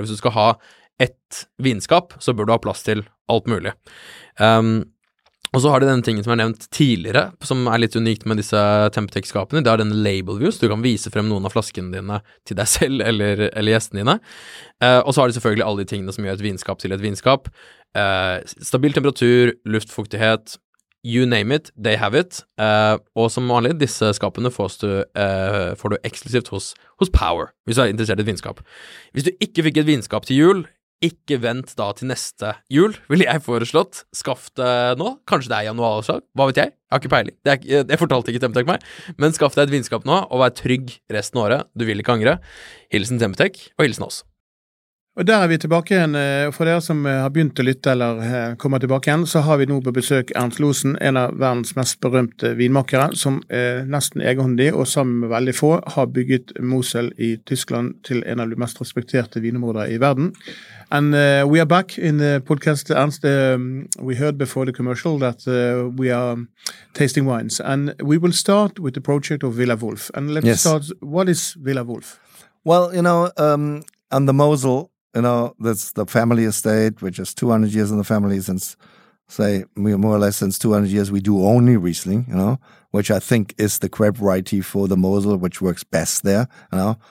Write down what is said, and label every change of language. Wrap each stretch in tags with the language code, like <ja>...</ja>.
<no>Hvis du skal ha et vinskap, så bør du ha plass til alt mulig. Og så har de denne tingen som jeg nevnt tidligere, som litt unikt med disse Temptec-skapene, det denne label view, så du kan vise frem noen av flaskene dine til deg selv eller gjestene dine. Og så har de selvfølgelig alle de tingene som gjør et vinskap til et vinskap. Stabil temperatur, luftfuktighet,</no> <en>you name it, they have it.</en> <no>Og som vanlig, disse skapene får du eksklusivt hos Power, hvis du interessert I et vinskap. Hvis du ikke fikk et vinskap til jul, ikke vent da til neste jul, vil jeg foreslått. Skaff det nå. Kanskje det januar også. Hva vet jeg? Jeg har ikke peiling. Det fortalte ikke Temptek meg. Men skaff deg et vinskap nå, og vær trygg resten av året. Du vil ikke angre. Hilsen Temptek, og hilsen oss. Og der vi tilbake igjen. For dere som har begynt å lytte eller kommer tilbake igjen, så har vi nå på besøk Ernst Losen, en av verdens mest berømte vinmakere, som nesten egenhåndig og sammen med veldig få har bygget Mosel I Tyskland til en av de mest respekterte vinområder I verden.</no> <en>And we are back in the podcast, Ernst. We heard before the commercial that we are tasting wines. And we will start with the project of Villa Wolf. And let's yes. start, what is Villa Wolf? Well, you know, on the Mosel, you know, that's the family estate, which is 200 years in the family since, say, more or less since 200 years, we do only Riesling, you know, which I think is the crepe variety for the Mosel, which works best there, you know.</en>